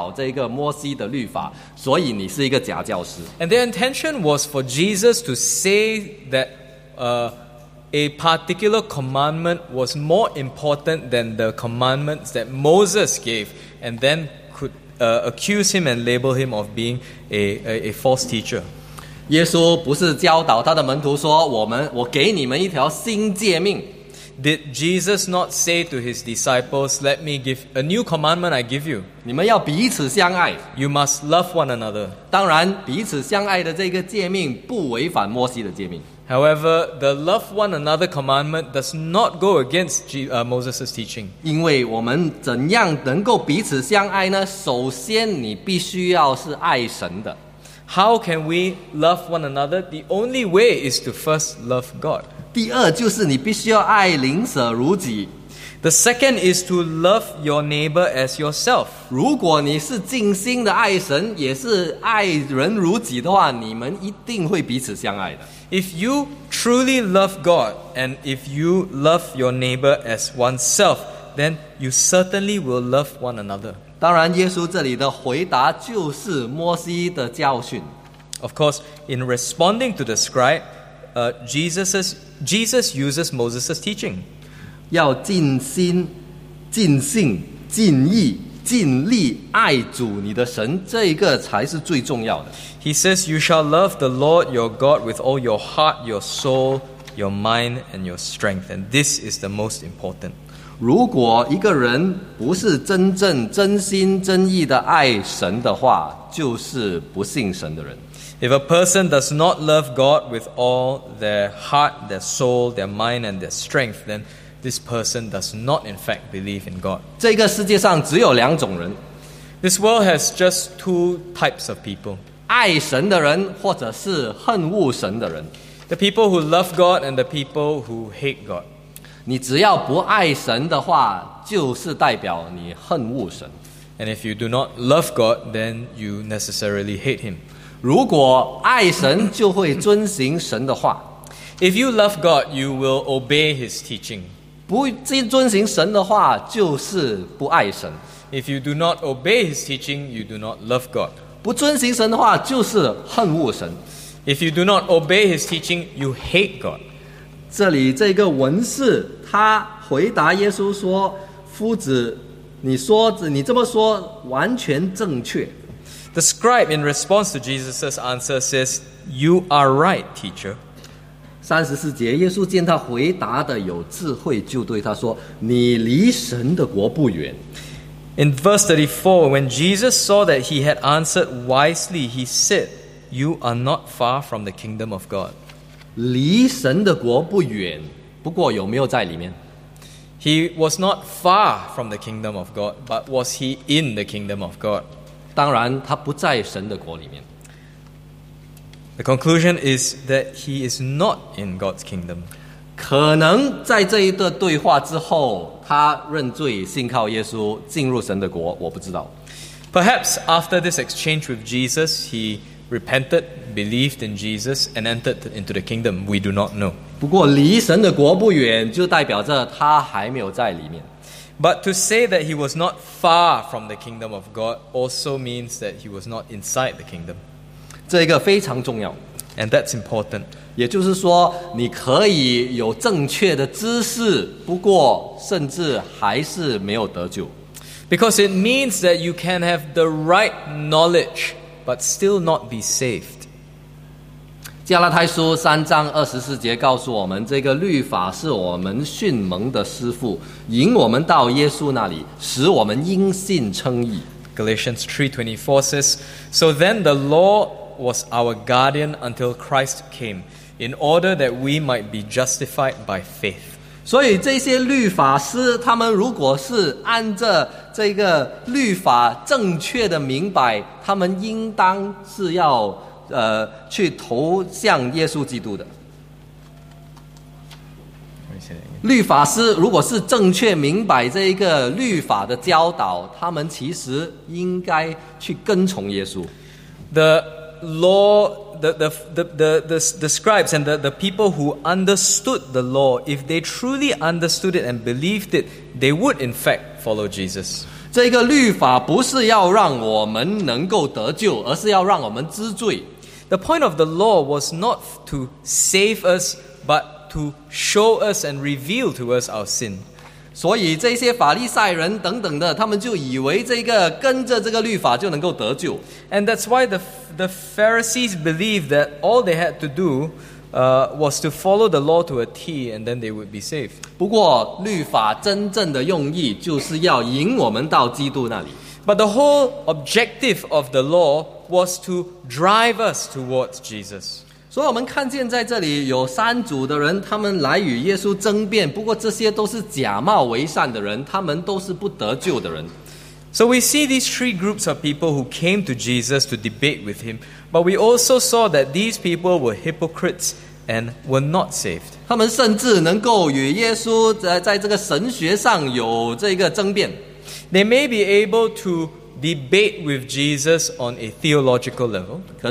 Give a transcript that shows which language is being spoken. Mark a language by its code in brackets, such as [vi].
[zh] 因为如果耶稣讲一个大诫命，哪一个诫命是最大而不是摩西的教导的话，他们就能够说，原来你不是在教导旧约，原来你不是在教导这个摩西的律法，所以你是一个假教师。 [en] And their intention was for Jesus to say that a particular commandment was more important than the commandments that Moses gave, and then could accuse him and label him of being a false teacher. [zh] 耶稣不是教导他的门徒说，我给你们一条新诫命。 [en] Did Jesus not say to his disciples, "Let me give a new commandment I give you"? [zh] 你们要彼此相爱。 [en] You must love one another. [zh] 当然，彼此相爱的这个诫命不违反摩西的诫命。 [en] However, the love one another commandment does not go against Moses' teaching. [zh] 因为我们怎样能够彼此相爱呢？首先，你必须要是爱神的。 [en] How can we love one another? The only way is to first love God. [zh] 第二就是你必须要爱邻舍如己。 [en] The second is to love your neighbor as yourself. [zh] 如果你是尽心的爱神，也是爱人如己的话，你们一定会彼此相爱的。 [en] If you truly love God and if you love your neighbor as oneself, then you certainly will love one another. [zh] 当然，耶稣这里的回答就是摩西的教训。 [en] Of course, in responding to the scribe, Jesus uses Moses' teaching. [zh] 要尽心、尽性、尽意、尽力爱主你的神，这个才是最重要的。 [en] He says, "You shall love the Lord your God with all your heart, your soul, your mind, and your strength." And this is the most important. [zh] 如果一个人不是真正真心真意的爱神的话，就是不信神的人。 [en] If a person does not love God with all their heart, their soul, their mind, and their strength, then this person does not in fact believe in God. [zh] 这个世界上只有两种人。 [en] This world has just two types of people. [zh] 爱神的人或者是恨恶神的人。 [en] The people who love God and the people who hate God. [zh] 你只要不爱神的话，就是代表你恨恶神。 [en] And if you do not love God, then you necessarily hate him. [zh] 如果爱神就会遵行神的话。 [en] If you love God, you will obey his teaching. [zh] 不遵行神的话，就是不爱神。 [en] If you do not obey his teaching, you do not love God. [zh] 不遵行神的话，就是恨恶神。 [en] If you do not obey his teaching, you hate God. [zh] 这里这个文士，他回答耶稣说，夫子，你这么说完全正确。 [en] The scribe, in response to Jesus' answer, says, "You are right, teacher." [zh] 三十四节，耶稣见他回答的有智慧，就对他说：“你离神的国不远。” [en] In verse 34, when Jesus saw that he had answered wisely, he said, "You are not far from the kingdom of God." [zh] 离神的国不远，不过有没有在里面？ [en] He was not far from the kingdom of God, but was he in the kingdom of God? [zh] 当然，他不在神的国里面。 [en] The conclusion is that he is not in God's kingdom. [zh] 可能在这一段对话之后，他认罪，信靠耶稣，进入神的国，我不知道。 Perhaps after this exchange with Jesus, he repented, believed in Jesus, and entered into the kingdom. [en] We do not know. [zh] 不过离神的国不远，就代表着他还没有在里面。 [en] But to say that he was not far from the kingdom of God also means that he was not inside the kingdom. [zh] 这个非常重要 [en] ，and that's important。 [zh] 也就是说，你可以有正确的知识，不过甚至还是没有得救。 [en] Because it means that you can have the right knowledge, but still not be saved。 [zh] 加拉太书三章二十四节告诉我们，这个律法是我们训蒙的师父，引我们到耶稣那里，使我们因信称义。 [en] Galatians 3:24 says, "So then the law was our guardian until Christ came, in order that we might be justified by faith." [zh] 所以这些律法师，他们如果是按着这个律法正确的明白，他们应当是要去投向耶稣基督的。律法师如果是正确明白这个律法的教导，他们其实应该去跟从耶稣。 [en] The scribes and the people who understood the law, if they truly understood it and believed it, they would in fact follow Jesus. [zh] 这个律法不是要让我们能够得救，而是要让我们知罪。 [en] The point of the law was not to save us, but to show us and reveal to us our sin. [zh] 所以这些法利赛人等等的，他们就以为这个跟着这个律法就能够得救。 [en] And that's why the Pharisees believed that all they had to do was to follow the law to a T, and then they would be saved. [zh] 不过, 律法真正的用意就是要引我们到基督那里。 [en] But the whole objective of the law was to drive us towards Jesus. [zh] 所以我们看见在这里有三组的人，他们来与耶稣争辩，不过这些都是假冒为善的人，他们都是不得救的人。 [en] So we see these three groups of people who came to Jesus to debate with him, but we also saw that these people were hypocrites and were not saved. [zh] 他们甚至能够与耶稣在这个神学上有这个争辩。 [en] They may be able to debate with Jesus on a theological level.